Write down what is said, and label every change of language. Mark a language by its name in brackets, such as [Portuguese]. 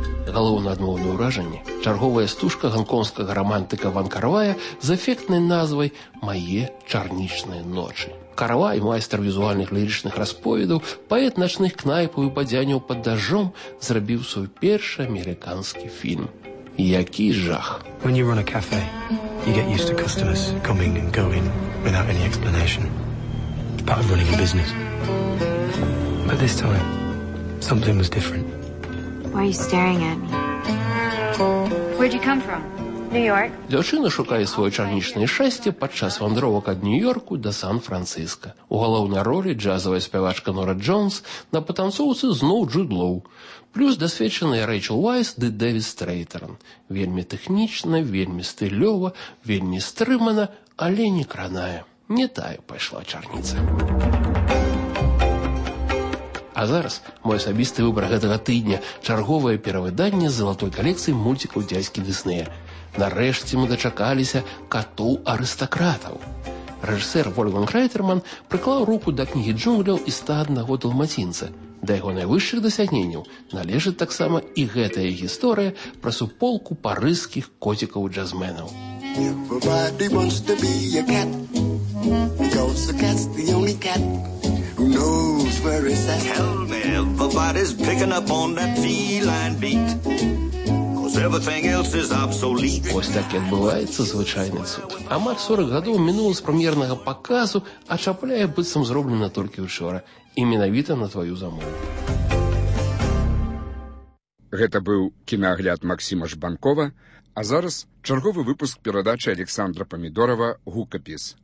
[Belarusian] Галоўнае адмоўнае ўражанне. Чарговая стужка гонконгскага рамантыка Ван Карвая з эфектнай назвай «Мае чарнічныя ночы». Каравай, майстер візуальных лірычных расповедаў, паэт начных кнайпаў і бадзяняў пад дажджом, зрабіў свой першы амерыканскі фільм. Які жах. [English] When you run a cafe, you get used to customers coming and going without any explanation. It's part of running a business. But this time, something was different. Why are you staring at me? Where'd you come from? [Belarusian] Дзяўчына шукае свое чарнічнае шчасце падчас вандровак ад Нью-Йорку да Сан-Францыска. У галоўнай ролі джазавая спявачка Нора Джонс, на патанцоўцы зноў Джуд Лоу. Плюс дасвечаныя Рэйчел Вайс ды Дэвід Стрэйтэрн. Вельмі тэхнічна, вельмі стылёва, вельмі стрымана, але не краная. Не тая пайшла чарніца. А зараз мой асабісты выбар гэтага тыдня – чарговае перавыданне з золотой калекцыі мультикаў дзядзькі Діснея. Нарэшце мы дачакаліся «Катоў арыстакратаў». Рэжысэр Вольфганг Райтэрман прыклаў руку да кнігі джунгляў і 101 далматінца. Да яго найвышшых дасягненняў належыць таксама і гэтая гісторыя пра суполку парыжскіх коцікаў-джазменаў. [English] Everybody wants to be a cat, because the cat's the only cat who knows where it's at. Tell me, everybody's picking up on that feline beat. [Belarusian] Вось так і адбываецца звычайны цуд. Амаль 40 гадоў мінула з прэм'ернага паказу, а чапляе быццам зроблена толькі ўчора. І менавіта на тваю замову. Гэта быў кінаагляд Максіма Жбанкова, а зараз чарговы выпуск перадачы Александра Памідорова «Гукапіс».